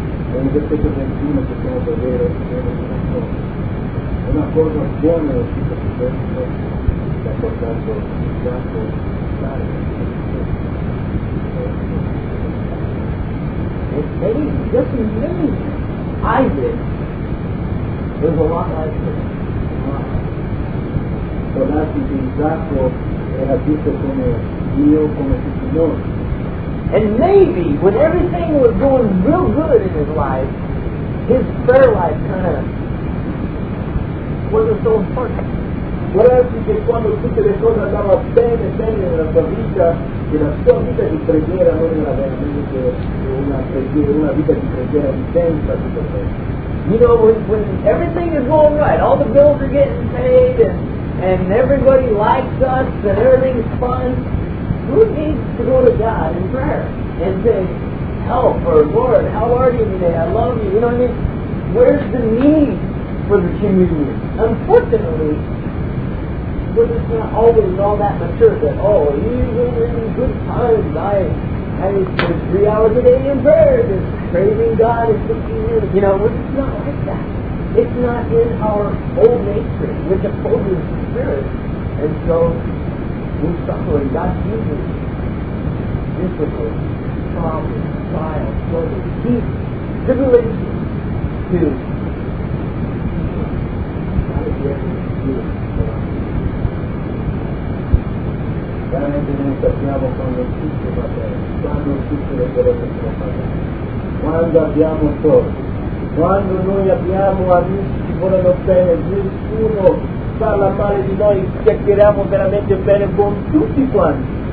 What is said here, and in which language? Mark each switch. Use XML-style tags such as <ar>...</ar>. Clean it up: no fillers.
<en>And maybe when everything was going real good in his life, his prayer life kind of wasn't so important.</en> <it>Guardati che quando tutte le cose andavano bene, bene nella sua vita, che la sua vita di preghiera non era veramente una vita di preghiera intensa, tutto questo.</it> <en>You know, when everything is going right, all the bills are getting paid, and everybody likes us, and everything is fun, who needs to go to God in prayer and say, help, or Lord, how are you today? I love you. You know what I mean? Where's the need for the communion? Unfortunately, we're just not always all that mature that, oh, even in good times, I spend 3 hours a day in prayer, just praising God and thinking, you know, we're just not like that. It's not in our old nature, which opposes the Spirit. And so, we suffer, and God uses difficult problems, trials, struggles, deep tribulations to God is ready to do it.</en> <it>Veramente noi sappiamo quando tutto va bene, quando tutte le cose sono fatte, quando abbiamo sorte, quando noi abbiamo amici che vogliono bene, nessuno parla male di noi, chiacchieriamo veramente bene con tutti quanti.</it>